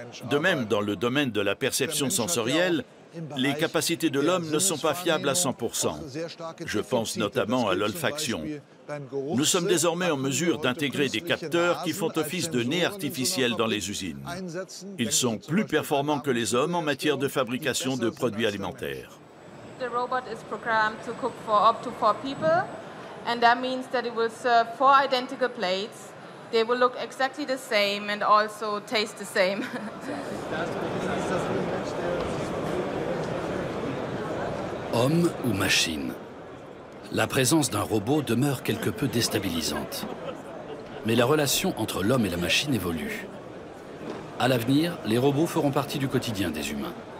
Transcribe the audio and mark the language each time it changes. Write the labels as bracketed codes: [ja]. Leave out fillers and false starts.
[fr] De même, dans le domaine de la perception sensorielle, les capacités de l'homme ne sont pas fiables à 100%. Je pense notamment à l'olfaction. Nous sommes désormais en mesure d'intégrer des capteurs qui font office de nez artificiels dans les usines. Ils sont plus performants que les hommes en matière de fabrication de produits alimentaires. [en] The robot is programmed to cook for up to 4 people, and that means that it will serve 4 identical plates. They will look exactly the same and also taste the same. [fr] Homme ou machine, la présence d'un robot demeure quelque peu déstabilisante. Mais la relation entre l'homme et la machine évolue. À l'avenir, les robots feront partie du quotidien des humains.